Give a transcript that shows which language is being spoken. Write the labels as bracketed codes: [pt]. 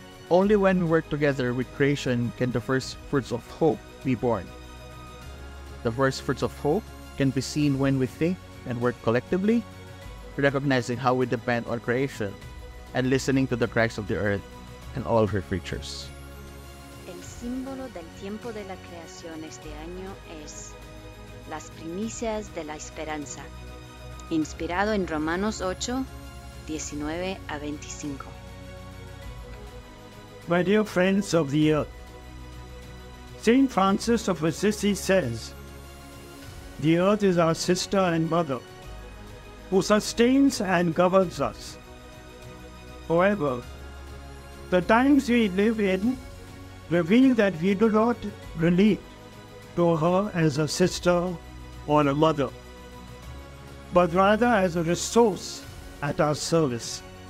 [en] Only when we work together with creation can the first fruits of hope be born. The first fruits of hope can be seen when we think and work collectively, recognizing how we depend on creation and listening to the cries of the earth and all her creatures. [es] El símbolo del tiempo de la creación este año es las primicias de la esperanza, inspirado en Romanos 8, 19 a 25. [en] My dear friends of the earth, Saint Francis of Assisi says, "The earth is our sister and mother, who sustains and governs us. However, the times we live in reveal that we do not relate to her as a sister or a mother, but rather as a resource at our service.